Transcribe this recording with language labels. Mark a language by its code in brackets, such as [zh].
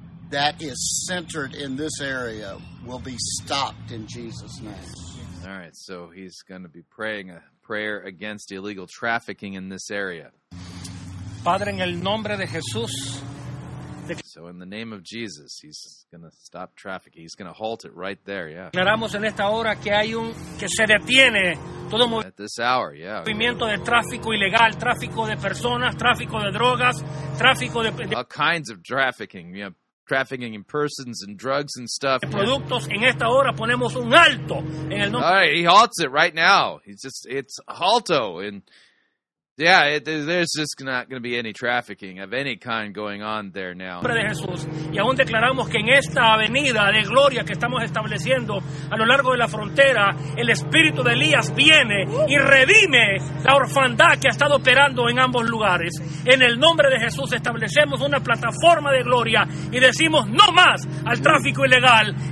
[en] that is centered in this area will be stopped in Jesus' name. All right, so he's going to be praying a prayer against illegal trafficking in this area. [es] Padre, en el nombre de Jesús. [en] So in the name of Jesus, he's going to stop trafficking. He's going to halt it right there, yeah. [es] Declaramos en esta hora que hay un que se detiene todo [en] at this hour, yeah. [es] Movimiento de tráfico ilegal, tráfico de personas, tráfico de drogas, tráfico de [en] all kinds of trafficking, yeah. Trafficking in persons and drugs and stuff. [es] Productos en esta hora ponemos un alto en el [en] nombre. He halts it right now. He's just it's halto and yeah, there's just not going to be any trafficking of any kind going on there now. [es] Y aún declaramos que en esta avenida de gloria que estamos estableciendo a lo largo de la frontera, el espíritu de Elías viene y redime la orfandad que ha estado operando en ambos lugares. En el nombre de Jesús establecemos una plataforma de gloria y decimos no más al tráfico ilegal.